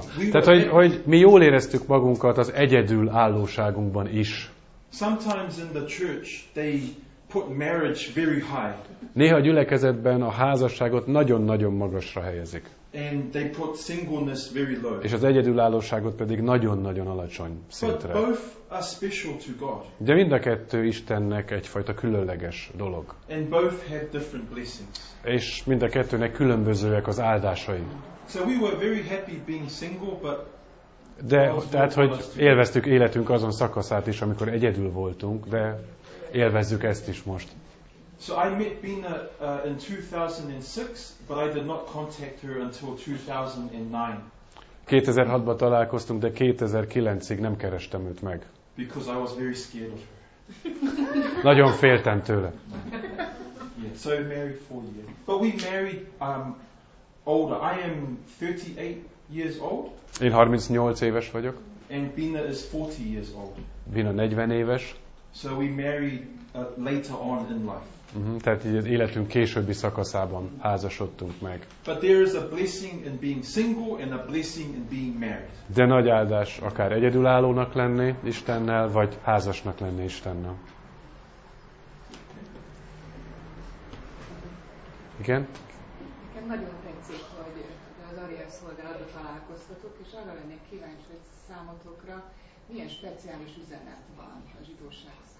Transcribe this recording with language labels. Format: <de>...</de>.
<hu>Tehát, hogy mi jól éreztük magunkat az egyedül állóságunkban is.</hu> <en>Sometimes in the church they put marriage very high.</en> <hu>Néha a gyülekezetben a házasságot nagyon-nagyon magasra helyezik.</hu> <en>And they put singleness very low.</en> <hu>És az egyedül állóságot pedig nagyon-nagyon alacsony szintre.</hu> <en>But both are special to God.</en> <hu>De mind a kettő Istennek egyfajta különleges dolog.</hu> <en>And both have different blessings.</en> <hu>És mind a kettőnek különbözőek az áldásai.</hu> <en>So we were very happy being single, but</en> <hu>de tehát hogy élveztük életünk azon szakaszát is, amikor egyedül voltunk, de élvezzük ezt is most.</hu> <en>So I met Bina in 2006, but I did not contact her until 2009.</en> <hu>2006-ban találkoztunk, de 2009-ig nem kerestem őt meg.</hu> <en>Because I was very scared of her.</en> <hu>Nagyon féltem tőle.</hu> <en>Yeah, so married 4 years. But we married older. I am 38 years old.</en> <hu>Én 38 éves vagyok.</hu> <en>And Bina is 40 years old.</en> <hu>Bina 40 éves.</hu> <en>So we married later on in life.</en> <hu>Tehát így az életünk későbbi szakaszában házasodtunk meg.</hu> <en>But there is a blessing in being single and a blessing in being married.</en> <hu>De nagy áldás akár egyedülállónak lenni Istennel, vagy házasnak lenni Istennel. Igen? Nekem nagyon tetszik, hogy az Aria szolgálatra találkoztatok, és arra lennék kíváncsi, hogy számotokra milyen speciális üzenet van a zsidóság.</hu>